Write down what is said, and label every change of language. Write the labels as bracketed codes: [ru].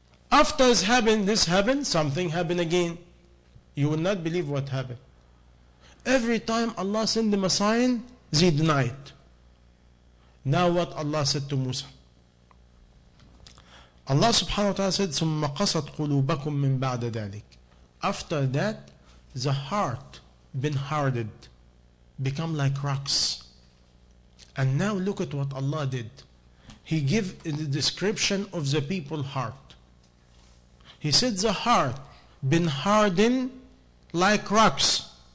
[en] After this happened, something happened again. You will not believe what happened. Every time Allah sent them a sign, they denied. Now what Allah said to Musa? Allah subhanahu wa ta'ala said, [ar] ثُمَّ قَسَتْ قُلُوبَكُمْ مِنْ بَعْدَ ذَلِكَ. [en] After that, the heart been hardened, become like rocks. And now look at what Allah did. He gave the description of the people's heart. He said, the heart been hardened like rocks.